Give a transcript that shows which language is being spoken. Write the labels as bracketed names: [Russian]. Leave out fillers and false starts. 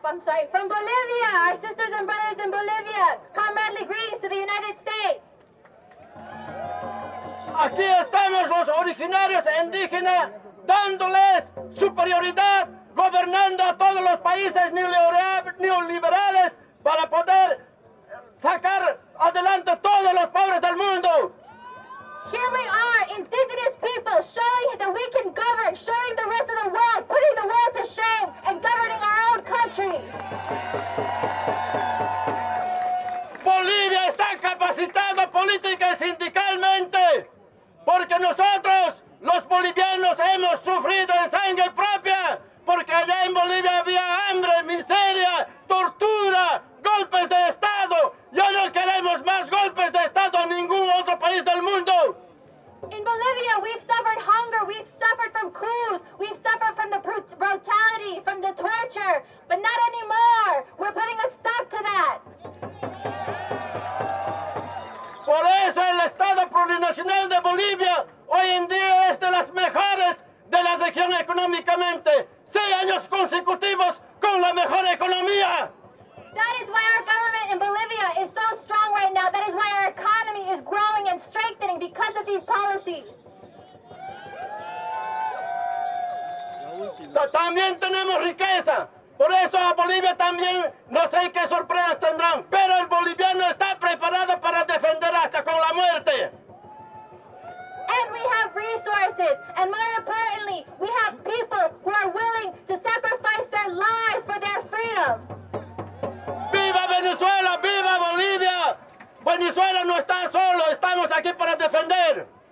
[English] I'm sorry, from Bolivia, our sisters and brothers in Bolivia. Comradely greetings to the United States. [Spanish] Aquí estamos los originarios indígenas dándoles superioridad, gobernando a todos los países neoliberales para poder sacar adelante todos los pobres del mundo. [English] Here we are, indigenous people, showing that we can govern, showing the rest of the world, putting the world to shame, and governing our own country. [Spanish] Bolivia está capacitada política y sindicalmente, porque nosotros, los bolivianos, hemos sufrido en sangre propia, porque allá en Bolivia había hambre, miseria, tortura, golpes de Estado. Ya no queremos más golpes de Estado en ningún otro país del mundo. [English] In Bolivia, we've suffered hunger, we've suffered from coups, we've suffered from the brutality, from the torture, but not anymore. We're putting a stop to that. [Spanish] Por eso el Estado Plurinacional de Bolivia hoy en día es de las mejores de la región económicamente. 6 años consecutivos con la mejor economía. [English] That is why our government in Bolivia is so strong right now. That is why our economy is growing and strengthening because of these policies. [Spanish] También tenemos riqueza. Por eso a Bolivia también, no sé qué sorpresas tendrán, pero el boliviano está preparado para defender hasta con la muerte. [English] And we have resources, and more importantly, we have people who are willing to sacrifice their lives for their freedom. [Spanish] ¡Viva Venezuela! ¡Viva Bolivia! Venezuela no está solo, estamos aquí para defender.